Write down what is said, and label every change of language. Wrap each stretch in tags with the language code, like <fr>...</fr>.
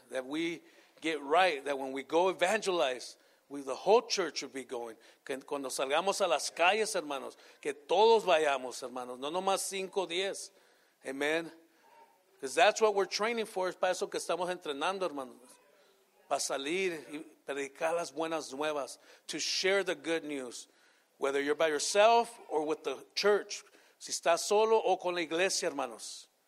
<en>That we get right, that when we go evangelize, the whole church would be going.</en> <es>Que cuando salgamos a las calles, hermanos, que todos vayamos, hermanos, no nomás 5 o 10. Amen.</es> <en>Because that's what we're training for.</en> <es>Es para eso que estamos entrenando, hermanos. Para salir y predicar las buenas nuevas.</es> <en>To share the good news. Whether you're by yourself or with the church.</en> <es>Si estás solo o con la iglesia, hermanos.</es>